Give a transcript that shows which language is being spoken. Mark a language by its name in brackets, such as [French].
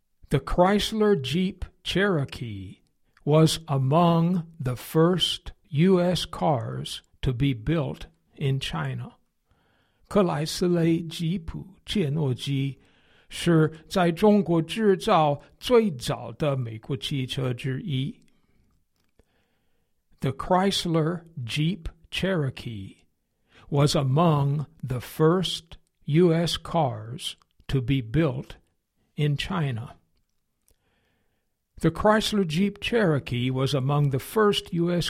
[English] The Chrysler Jeep Cherokee was among the first U.S. cars to be built in China. [Chinese] 克莱斯雷吉普切诺基是在中国制造最早的美国汽车之一。 [English] The Chrysler Jeep Cherokee was among the first U.S. cars to be built in China. The Chrysler Jeep Cherokee was among the first U.S.